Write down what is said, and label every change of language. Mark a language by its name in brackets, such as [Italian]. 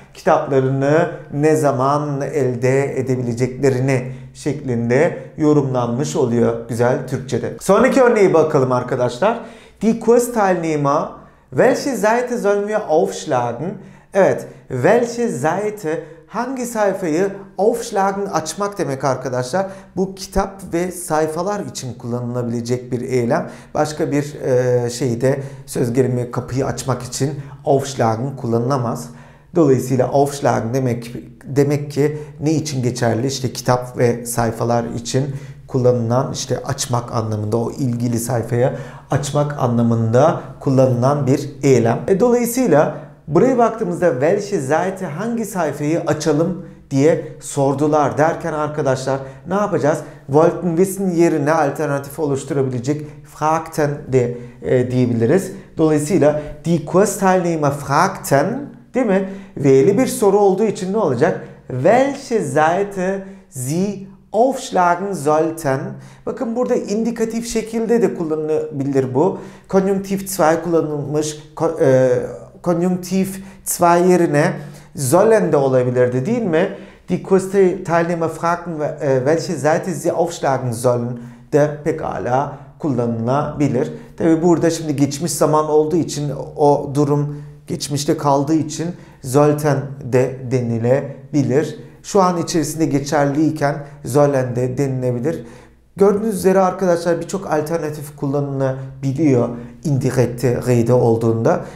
[Turkish] Kitaplarını ne zaman elde edebileceklerini şeklinde yorumlanmış oluyor güzel Türkçe'de. Sonraki örneğe bakalım arkadaşlar. [German] Die Kursteilnehmer, welche Seite sollen wir aufschlagen? [Turkish] Evet, welche Seite, hangi sayfayı aufschlagen, açmak demek arkadaşlar. Bu kitap ve sayfalar için kullanılabilecek bir eylem. Başka bir şeyde söz gelimi kapıyı açmak için aufschlagen kullanılamaz. Dolayısıyla aufschlagen demek ki ne için geçerli? İşte kitap ve sayfalar için kullanılan, işte açmak anlamında, o ilgili sayfaya açmak anlamında kullanılan bir eylem. Dolayısıyla buraya baktığımızda [German] welche Seite, [Turkish] hangi sayfayı açalım diye sordular derken arkadaşlar ne yapacağız? [German] Wollten wissen [Turkish] yerine alternatif oluşturabilecek fragten de diyebiliriz. Dolayısıyla [German] die Kursteilnehmer fragten, [Turkish] değil mi? V'li bir soru olduğu için ne olacak? [German] Welche Seite sie aufschlagen sollten. [Turkish] Bakın burada indikatif şekilde de kullanılabilir bu. Konjunktif 2 kullanılmış. Konjunktif 2 yerine sollen de olabilirdi, değil mi? [German] Die Kursteilnehmer fragten, welche Seite sie aufschlagen sollen [Turkish] de pekala kullanılabilir. Tabi burada şimdi geçmiş zaman olduğu için, o durum geçmişte kaldığı için sollten de denilebilir. Şu an içerisinde geçerliyken sollen de denilebilir. Gördüğünüz üzere arkadaşlar birçok alternatif kullanılabiliyor indirekte re'de olduğunda.